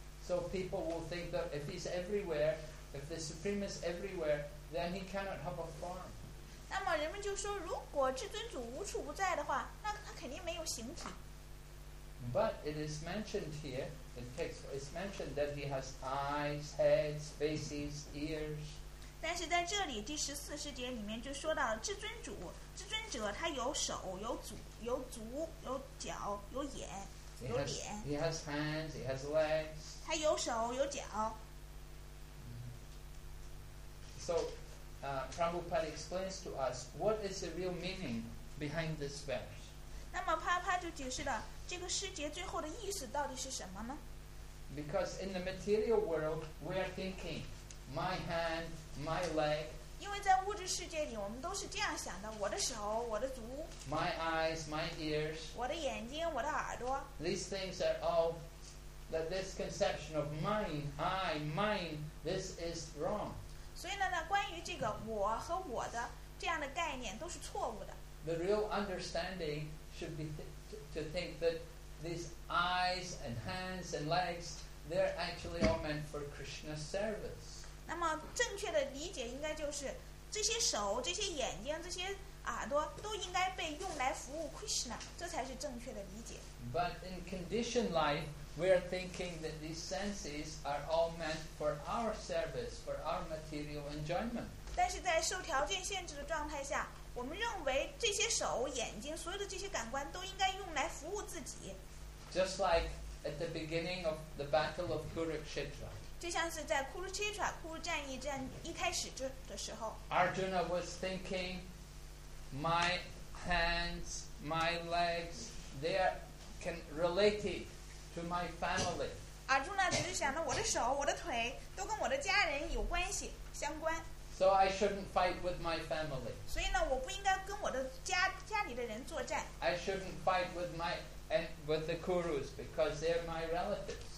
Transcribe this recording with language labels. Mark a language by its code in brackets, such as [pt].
[en] So people will think that if he's everywhere, if the supreme is everywhere, then he cannot have a form. [zh] 那么人们就说，如果至尊主无处不在的话，那他肯定没有形体。 [en] But it is mentioned here in text. It's mentioned that he has eyes, heads, faces, ears. [zh] 但是在这里第十四十节里面就说到了至尊者他有手，有足，有脚，有眼。 [en] He has hands, he has legs. [zh] 他有手有脚。 [en] So, Prabhupada explains to us what is the real meaning behind this verse. [zh] 那么帕帕就解释了这个诗节最后的意思到底是什么呢？ [en] Because in the material world, we are thinking, my hand, my leg. [zh] 因为在物质世界里，我们都是这样想的：我的手，我的足。 [en] My eyes, my ears. [zh] 我的眼睛，我的耳朵。 [en] These things are all that this conception of mine, this is wrong. [zh] 所以呢，关于这个我和我的这样的概念都是错误的。 [en] The real understanding should be to think that these eyes and hands and legs, they're actually all meant for Krishna's service. [zh] 那么正确的理解应该就是这些手这些眼睛这些耳朵都应该被用来服务 Krishna， 这才是正确的理解。 [en] But in conditioned life we are thinking that these senses are all meant for our service, for our material enjoyment. [zh] 但是在受条件限制的状态下，我们认为这些手眼睛所有的这些感官都应该用来服务自己。 [en] Just like at the beginning of the battle of Kurukshetra， [zh] 就像是在库鲁切特库鲁战役战一开始的时候， [en] Arjuna was thinking, my hands, my legs, they are can related to my family. [zh] Arjuna 只是想着我的手我的腿都跟我的家人有关系相关。 [en] So I shouldn't fight with my family. [zh] 所以呢，我不应该跟我的家里的人作战。 [en] I shouldn't fight with my and with the Kurus because they are my relatives.